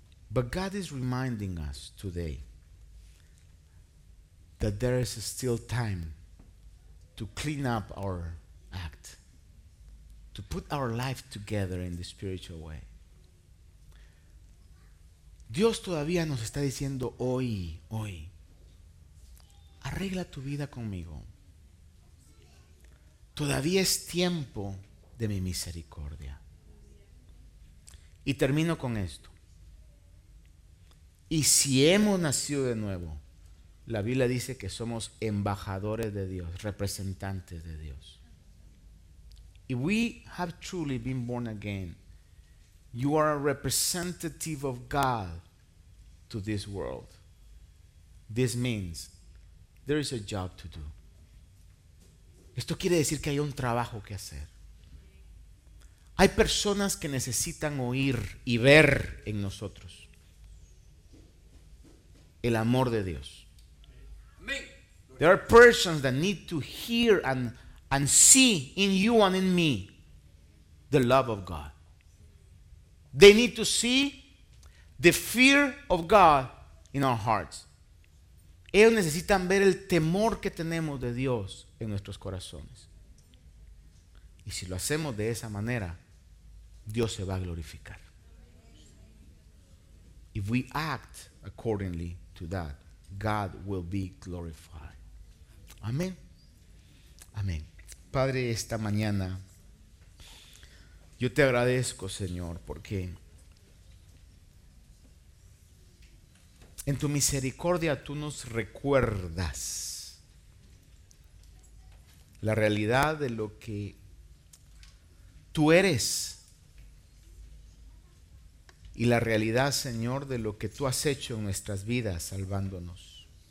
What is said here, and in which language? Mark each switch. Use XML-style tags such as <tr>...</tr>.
<en>But God is reminding us today that there is still time to clean up our act, to put our life together in the spiritual way.</en> <es>Dios todavía nos está diciendo hoy, arregla tu vida conmigo. Todavía es tiempo de mi misericordia. Y termino con esto. Y si hemos nacido de nuevo, la Biblia dice que somos embajadores de Dios, representantes de Dios.</es> <en>If we have truly been born again, you are a representative of God to this world. This means there is a job to do.</en> <es>Esto quiere decir que hay un trabajo que hacer. Hay personas que necesitan oír y ver en nosotros el amor de Dios.</es> <en>There are persons that need to hear and see in you and in me the love of God. They need to see the fear of God in our hearts.</en> <es>Ellos necesitan ver el temor que tenemos de Dios en nuestros corazones. Y si lo hacemos de esa manera, Dios se va a glorificar.</es> <en>If we act accordingly to that, God will be glorified.</en> <es>Amén. Amén. Padre, esta mañana yo te agradezco, Señor, porque en tu misericordia tú nos recuerdas la realidad de lo que tú eres y la realidad, Señor, de lo que tú has hecho en nuestras vidas salvándonos.</es>